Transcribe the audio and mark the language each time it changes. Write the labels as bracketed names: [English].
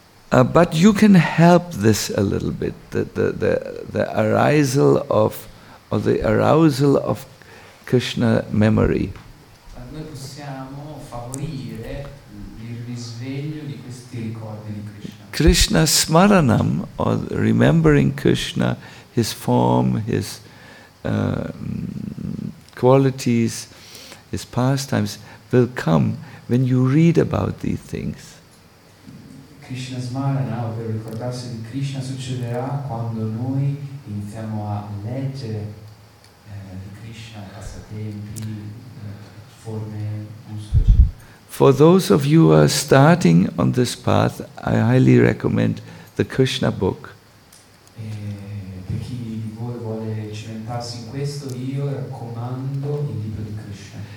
[English] But you can help this a little bit, the arisal of, or the arousal of Krishna memory. [Italian] Noi possiamo favorire il risveglio di questi ricordi di Krishna. [English] Krishna smaranam, or remembering Krishna, his form, his qualities, his pastimes, will come when you read about these things. [Italian] Krishna smarana, ovvero ricordarsi di Krishna, succederà quando noi iniziamo a leggere di Krishna, passatempi, forme, usage. [English] For those of you who are starting on this path, I highly recommend the Krishna book. [Italian] E per chi di voi vuole cimentarsi in questo, io raccomando il libro di Krishna.